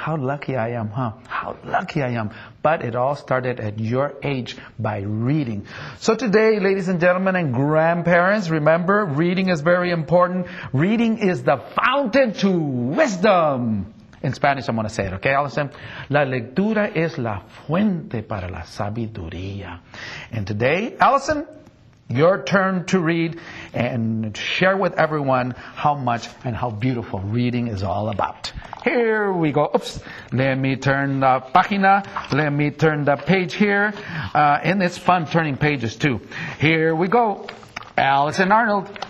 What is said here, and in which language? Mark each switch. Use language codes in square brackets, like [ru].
[en] How lucky I am, huh? How lucky I am. But it all started at your age by reading. So today, ladies and gentlemen and grandparents, remember, reading is very important. Reading is the fountain to wisdom. In Spanish, I'm going to say it, okay, Allison? [es] La lectura es la fuente para la sabiduría. [en] And today, Allison, your turn to read and share with everyone how much and how beautiful reading is all about. Here we go. Oops. Let me turn the página. Let me turn the page here. And it's fun turning pages, too. Here we go. Allison Arnold.